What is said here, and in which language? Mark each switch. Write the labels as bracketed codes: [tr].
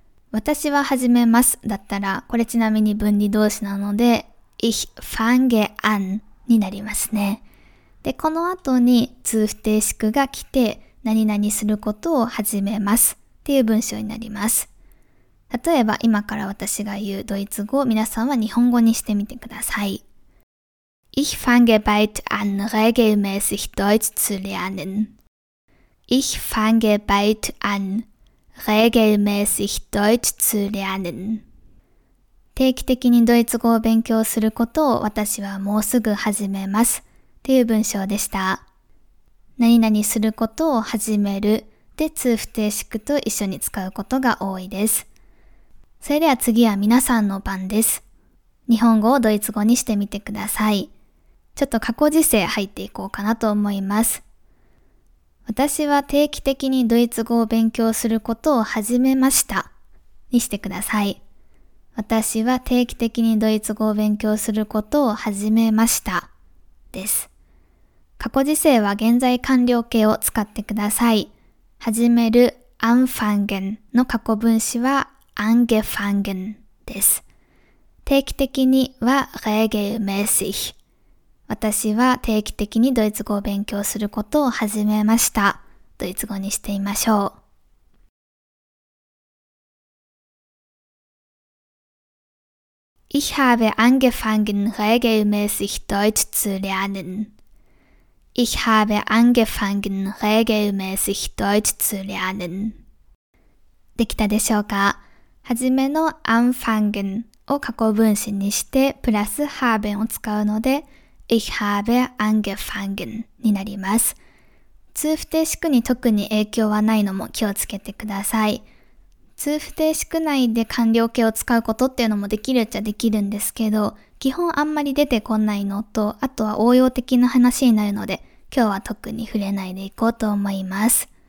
[ja] 私は始めますだったら、これちなみに分離動詞なので、 [de] Ich fange an [ja] になりますね。で、この後に通不定詞句が来て、何々することを始めますっていう文章になります。例えば、今から私が言うドイツ語を皆さんは日本語にしてみてください。 [de] Ich fange bald an, regelmäßig Deutsch zu lernen. Ich fange bald an, regelmäßig Deutsch zu lernen. [ja] 定期的にドイツ語を勉強することを私はもうすぐ始めますっていう文章でした。何々することを始めるで通不定詞句と一緒に使うことが多いです。それでは次は皆さんの番です。日本語をドイツ語にしてみてください。ちょっと過去時制入っていこうかなと思います。私は定期的にドイツ語を勉強することを始めましたにしてください。私は定期的にドイツ語を勉強することを始めましたです。過去時制は現在完了形を使ってください。始める anfangen の過去分詞は angefangen です。定期的には regelmäßig。私は定期的にドイツ語を勉強することを始めましたドイツ語にしてみましょう。 [de] Ich habe angefangen, regelmäßig Deutsch zu lernen. Ich habe angefangen, regelmäßig Deutsch zu lernen. [ja] できたでしょうか? はじめの anfangen を過去分詞にして、プラス haben を使うので、 [de] Ich habe angefangen [ja] になります。通不定詞句に特に影響はないのも気をつけてください。通不定詞句内で完了形を使うことっていうのもできるっちゃできるんですけど、基本あんまり出てこないのと、あとは応用的な話になるので、今日は特に触れないでいこうと思います。